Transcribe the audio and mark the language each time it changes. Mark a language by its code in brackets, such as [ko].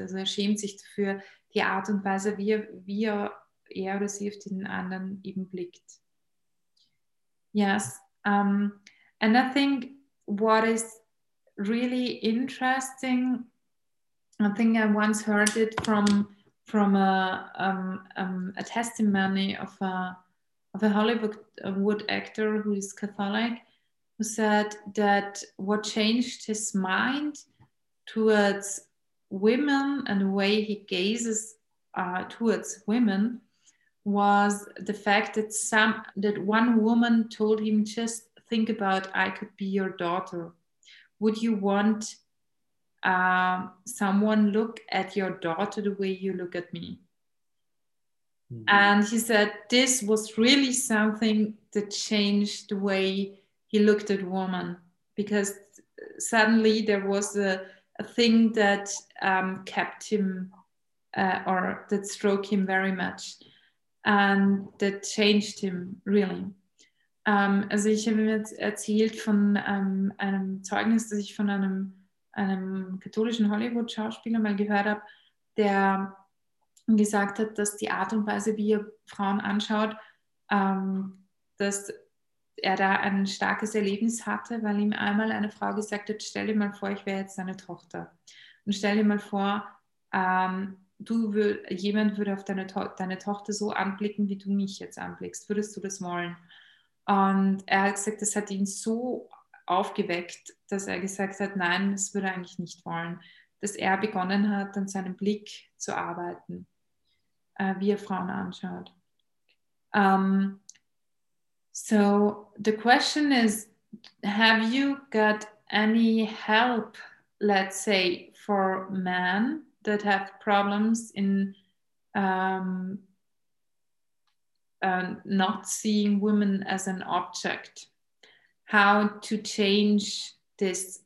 [de] Also er schämt sich für die Art und Weise, wie er oder sie auf den anderen eben blickt. [en] Yes, and I think what is really interesting, I think I once heard it from a testimony of a Hollywood actor who is Catholic, who said that what changed his mind towards women and the way he gazes towards women was the fact that one woman told him, just think about, I could be your daughter. Would you want someone look at your daughter the way you look at me? Mm-hmm. And he said this was really something that changed the way he looked at woman, because suddenly there was a thing that kept him or that struck him very much. And that changed him, really. [de] Also ich habe mir erzählt von einem Zeugnis, das ich von einem katholischen Hollywood-Schauspieler mal gehört habe, der gesagt hat, dass die Art und Weise, wie er Frauen anschaut, dass er da ein starkes Erlebnis hatte, weil ihm einmal eine Frau gesagt hat, stell dir mal vor, ich wäre jetzt deine Tochter. Und stell dir mal vor, jemand würde auf deine Tochter so anblicken, wie du mich jetzt anblickst. Würdest du das wollen? Und er hat gesagt, das hat ihn so aufgeweckt, dass er gesagt hat, nein, das würde er eigentlich nicht wollen. Dass er begonnen hat, an seinem Blick zu arbeiten, wie er Frauen anschaut. [en] So the question is, have you got any help, let's say, for men that have problems in not seeing women as an object, how to change this?